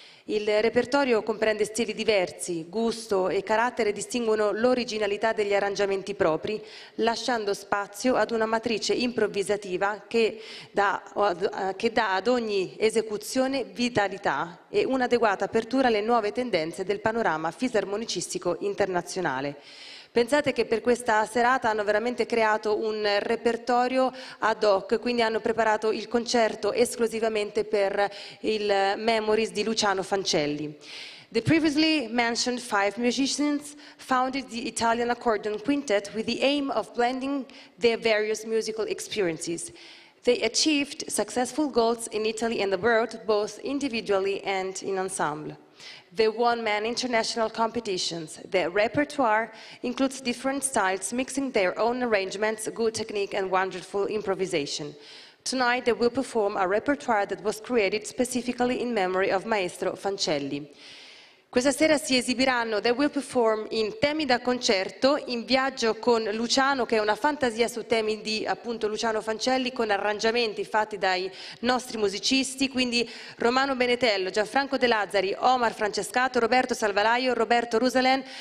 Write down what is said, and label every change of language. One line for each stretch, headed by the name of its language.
Italian: Il repertorio comprende stili diversi, gusto e carattere distinguono l'originalità degli arrangiamenti propri, lasciando spazio ad una matrice improvvisativa che dà ad ogni esecuzione vitalità e un'adeguata apertura alle nuove tendenze del panorama fisarmonicistico internazionale. Pensate che per questa serata hanno veramente creato un repertorio ad hoc, quindi hanno preparato il concerto esclusivamente per il Memories di Luciano Fancelli.
English: The previously mentioned five musicians founded the Italian Accordion Quintet with the aim of blending their various musical experiences. They achieved successful goals in Italy and abroad, both individually and in ensemble. They won many international competitions. Their repertoire includes different styles, mixing their own arrangements, good technique and wonderful improvisation. Tonight they will perform a repertoire that was created specifically in memory of Maestro Fancelli.
Italian: Questa sera si esibiranno,
English: they will perform
Italian: in temi da concerto, in viaggio con Luciano, che è una fantasia su temi di appunto Luciano Fancelli, con arrangiamenti fatti dai nostri musicisti, quindi Romano Benetello, Gianfranco De Lazzari, Omar Francescato, Roberto Salvalaio, Roberto Rusalén.